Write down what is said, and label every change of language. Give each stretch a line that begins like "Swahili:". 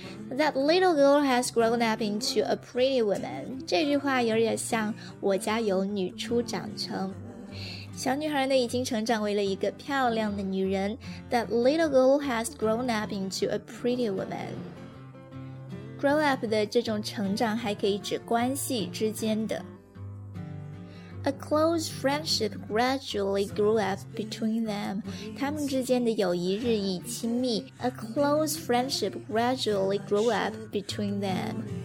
English: That little girl has grown up into a pretty woman.
Chinese: 这句话有点像我家有女初长成。小女孩呢已经成长为了一个漂亮的女人。
English: That little girl has grown up into a pretty woman.
Chinese: Grow up 的这种成长还可以指关系之间的。
English: A close friendship gradually grew up between them.
Chinese: 他们之间的友谊日益亲密。
English: A close friendship gradually grew up between them.